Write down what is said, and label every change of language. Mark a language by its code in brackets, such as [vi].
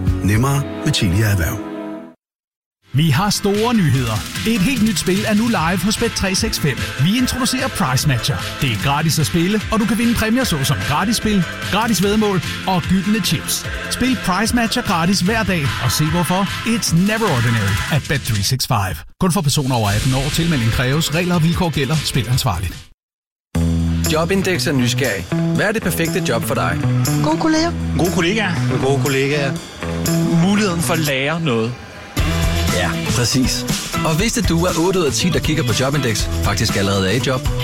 [da] Nemmere med Telia Erhverv. Vi har store nyheder. Et helt nyt spil er nu live hos Bet365. Vi introducerer Price Matcher. Det er gratis at spille, og du kan vinde præmier såsom gratis spil, gratis væddemål og gyldne chips. Spil Price Matcher gratis hver dag og se hvorfor. [en] It's never ordinary at Bet365. [da] Kun for personer over 18 år. Tilmelding kræves. Regler og vilkår gælder. Spil ansvarligt. Jobindex er nysgerrig. Hvad er det perfekte job for dig? Gode kolleger. Gode kollegaer. Gode kollegaer. Muligheden for at lære noget. Ja, præcis. Og vidste du, at 8 ud af 10, der kigger på Jobindex, faktisk allerede er i job?